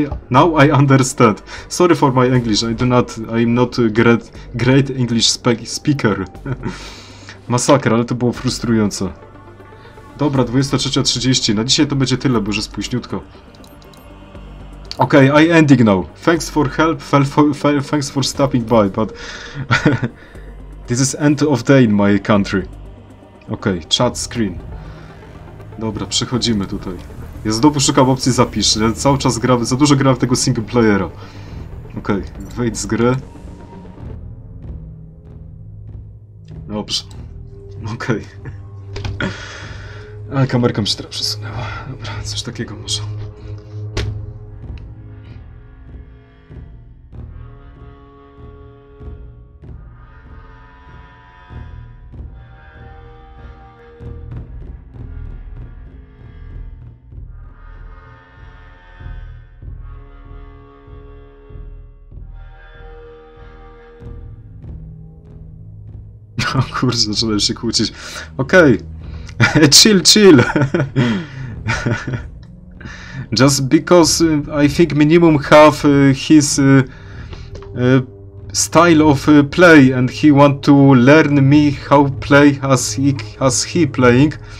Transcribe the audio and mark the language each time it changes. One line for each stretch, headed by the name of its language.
English: Now I understand. Sorry for my English. I'm not a great English speaker.
Polish: Masakra, ale to było frustrujące. Dobra, 23:30. Na dzisiaj to będzie tyle, bo już jest późniutko.
English: Okay, I ending now. Thanks for help. Thanks for stopping by, but this is end of day in my country. Okay, chat screen.
Polish: Dobra, przechodzimy tutaj. Ja znowu szukam opcji zapisz. Ja cały czas gram, za dużo gram w tego single playera. Okay, wejdź z gry. Dobrze. Okay. A kamerka mi się teraz przesunęła. Dobra, coś takiego może. O kurczę, zaczynam się kłócić. Okej. Okay. chill.
English: Just because I think minimum have his style of play and he want to learn me how play as he playing.